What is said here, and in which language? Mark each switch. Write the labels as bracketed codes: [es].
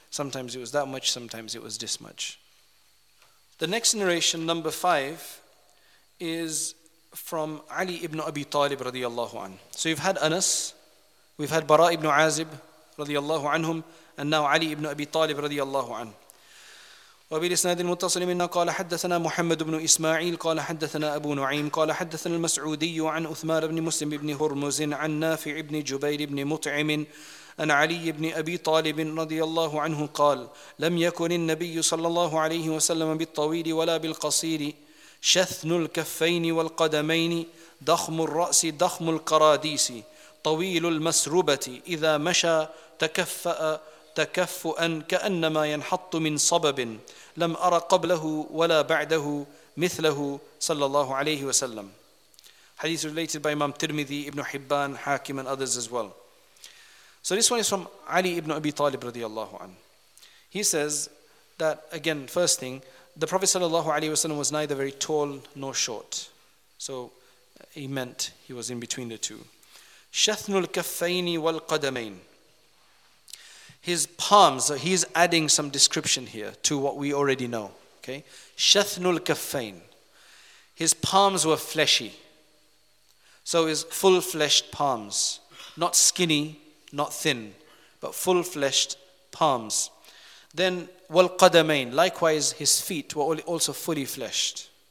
[en] Sometimes it was that much, sometimes it was this much. The next narration, number 5, is from Ali ibn Abi Talib radiallahu anhu. So you've had Anas, we've had Bara ibn Azib radiallahu anhum, and now Ali ibn Abi Talib radiallahu anhu. [ar] وبالإسناد المتصل منا قال حدثنا محمد بن إسماعيل قال حدثنا أبو نعيم قال حدثنا المسعودي عن أثمار بن مسلم بن هرمز عن نافع بن جبير بن مطعم عن علي بن أبي طالب رضي الله عنه قال لم يكن النبي صلى الله عليه وسلم بالطويل ولا بالقصير شثن الكفين والقدمين ضخم الرأس ضخم القراديس طويل المسربة إذا مشى تكفأ تكفؤا كأنما ينحط من صبب لم أر قبله ولا بعده مثله صلى الله عليه وسلم. [en] Hadith related by Imam Tirmidhi, Ibn Hibban, Hakim and others as well. So this one is from Ali ibn Abi Talib radiallahu anhu. He says that, again, first thing, the Prophet sallallahu alaihi wasallam was neither very tall nor short. So he meant he was in between the two. [ar] شَثْنُ الْكَفَّيْنِ وَالْقَدَمَيْنِ. [en] His palms, so he's adding some description here to what we already know. Okay, [ar] شَثْنُ الْكَفَّيْنِ. [en] His palms were fleshy. So his full-fleshed palms, not skinny, not thin, but full-fleshed palms. Then والقدمين, likewise his feet were also fully fleshed.